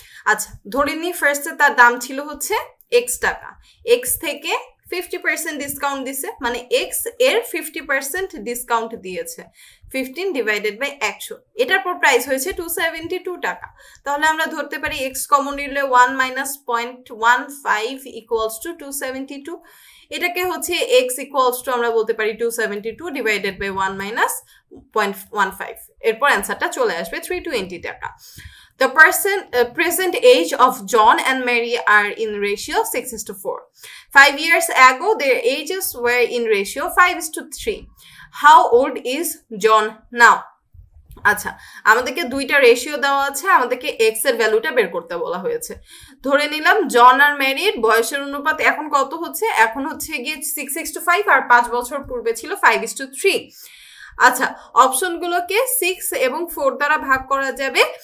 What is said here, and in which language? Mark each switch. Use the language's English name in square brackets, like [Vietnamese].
[Bangla] আচ্ছা ধরে নিই ফার্স্টে তার দাম ছিল হচ্ছে এক্স টাকা, এক্স থেকে 50% ডিসকাউন্ট দিছে, মানে এক্স এর 50% ডিসকাউন্ট দিয়েছে, 15/100, এটার পর প্রাইস হয়েছে 272 টাকা। তাহলে আমরা ধরতে পারি এক্স কমন নিলে 1-0.15 ইকুয়ালস টু 272। এটাকে হচ্ছে এক্স ইকুয়ালস টু আমরা বলতে পারি 272/1-0.15, এরপর অ্যান্সারটা চলে আসবে 320 টাকা। [English] The present age of John and Mary are in ratio 6:4. 5 years ago, their ages were in ratio 5:3. How old is John now? [Bangla] আচ্ছা আমাদেরকে দুইটা রেশিও দেওয়া আছে, আমাদেরকে এক্স এর ভ্যালুটা বের করতে বলা হয়েছে। ধরে নিলাম জন আর ম্যারির বয়সের অনুপাত এখন কত হচ্ছে, এখন হচ্ছে গিয়ে 6:5, আর 5 বছর পূর্বে ছিল 5:3। আচ্ছা অপশনগুলোকে 6 এবং 4 দ্বারা ভাগ করা যাবে।